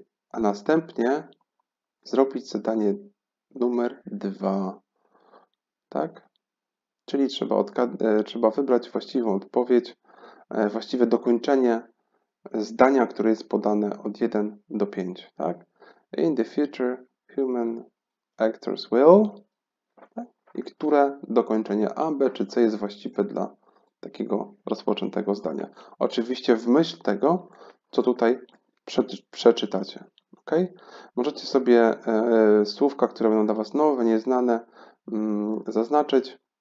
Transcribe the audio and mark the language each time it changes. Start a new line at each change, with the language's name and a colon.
Polish: A następnie zrobić zadanie numer 2, tak? Czyli trzeba wybrać właściwą odpowiedź, właściwe dokończenie zdania, które jest podane od 1 do 5, tak?
English: In the future, human actors will.
Polish: I które dokończenie A, B czy C jest właściwe dla takiego rozpoczętego zdania. Oczywiście w myśl tego, co tutaj przeczytacie. Okay? Możecie sobie słówka, które będą dla Was nowe, nieznane, zaznaczyć.